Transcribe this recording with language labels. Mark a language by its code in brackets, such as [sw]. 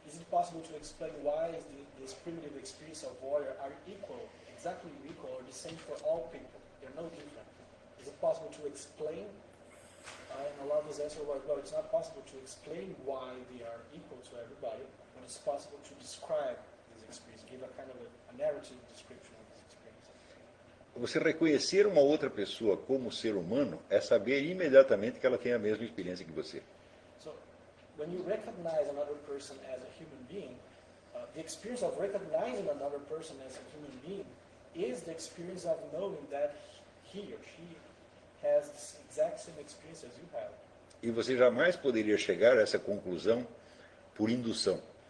[en] Possible to explain why is this primitive experience of order are equal, exactly equal, or the same for all people? They're no different. Is it possible to explain? And a lot of this answer was, well, it's not possible to explain why they are equal to everybody, but it's possible to describe this experience, give a kind of a narrative description of this experience. [pt] Você reconhecer uma outra pessoa como ser humano é saber imediatamente que ela tem a mesma experiência que você. [en] When you recognize another person as a human being, the experience of recognizing another person as a human being is the experience of knowing that he or she has the exact same experience as you have. [pt] E você jamais poderia chegar a essa conclusão por indução.